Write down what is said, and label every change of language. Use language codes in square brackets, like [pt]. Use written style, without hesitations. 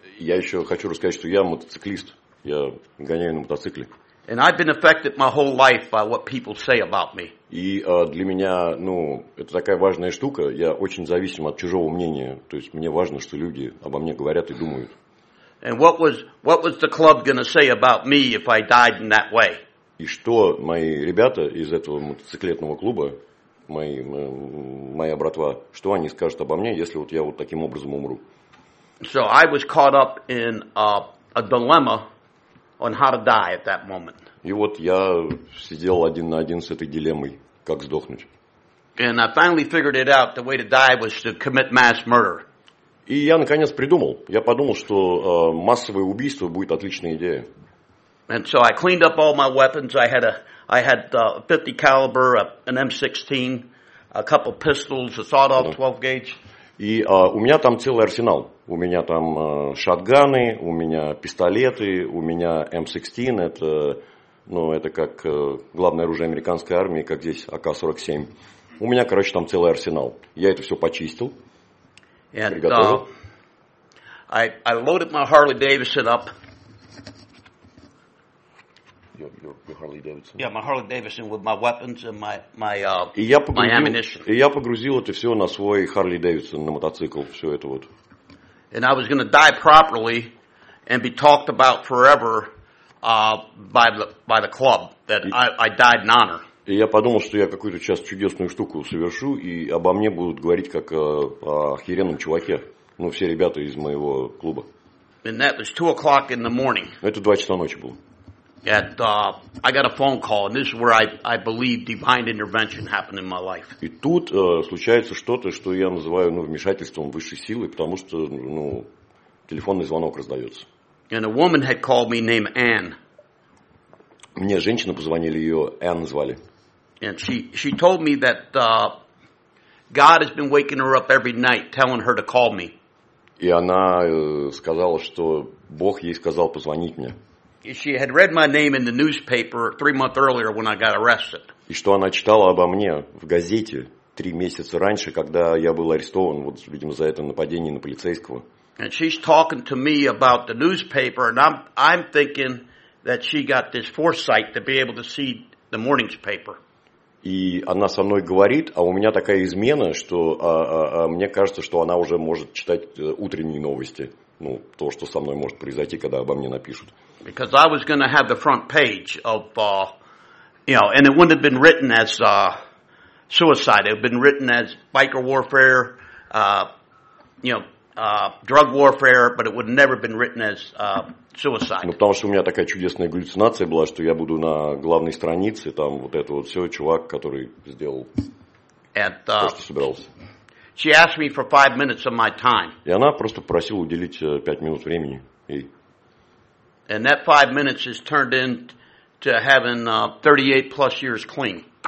[ru] Я еще хочу рассказать, что я мотоциклист, я гоняю на мотоцикле. [en] And I've been affected my whole life by what people say about me. [ru] И для меня, ну, это такая важная штука. Я очень зависим от чужого мнения. То есть мне важно, что люди обо мне говорят и думают. [en] And what was the club going to say about me if I died in that way? [ru] И что мои ребята из этого мотоциклетного клуба, моя братва, что они скажут обо мне, если вот я вот таким образом умру? [en] So I was caught up in a dilemma on how to die at that moment. [ru] И вот я сидел один на один с этой дилеммой, как сдохнуть. [en] And I finally figured it out, the way to die was to commit mass murder. [ru] И я наконец придумал. Я подумал, что массовое убийство будет отличная идея. [en] And so I cleaned up all my weapons. I had a 50 caliber, an M16, a couple pistols, a sawed-off 12 gauge. [ru] И у меня там целый арсенал. У меня там шотганы, у меня пистолеты, у меня M16, это, ну, это как главное оружие американской армии, как здесь АК-47. У меня, короче, там целый арсенал. Я это все почистил. [en] And [ru] приготовил. [en] I loaded my Harley Davidson up. Your Harley Davidson. Yeah, my Harley Davidson with my weapons and my ammunition. [ru] И я погрузил это все на свой Harley Davidson, на мотоцикл, все это вот. [en] And I was going to die properly and be talked about forever by the club that I died in honor. [ru] И я подумал, что я какую-то сейчас чудесную штуку совершу, и обо мне будут говорить как о охеренном чуваке, ну, все ребята из моего клуба. [en] And that was 2:00 in the morning. [ru] Это 2:00 ночи было. [en] And I got a phone call, and this is where I believe divine intervention happened in my life. [ru] И тут случается что-то, что я называю, ну, вмешательством высшей силы, потому что, ну, телефонный звонок раздается. [en] And a woman had called me named Anne. [ru] Мне женщина позвонили, ее Энн звали. [en] And she told me that God has been waking her up every night, telling her to call me. [ru] И она сказала, что Бог ей сказал позвонить мне. [en] She had read my name in the newspaper 3 months earlier when I got arrested. [ru] И что она читала обо мне в газете 3 месяца раньше, когда я был арестован, вот, видимо, за это нападение на полицейского. [en] And she's talking to me about the newspaper, and I'm thinking that she got this foresight to be able to see the morning's paper. [ru] И она со мной говорит, а у меня такая измена, что мне кажется, что она уже может читать утренние новости. Ну, то, что со мной может произойти, когда обо мне напишут. [en] Because I was going to have the front page of, and it wouldn't have been written as suicide. It would have been written as biker warfare, drug warfare, but it would never have been written as suicide. [ru] Ну, потому что у меня такая чудесная галлюцинация была, что я буду на главной странице, там вот это вот все, чувак, который сделал то, что собирался. [en] She asked me for 5 minutes of my time. [ru] И она просто просила уделить 5 минут времени ей. [en] And that 5 minutes has turned into having 38 plus years clean.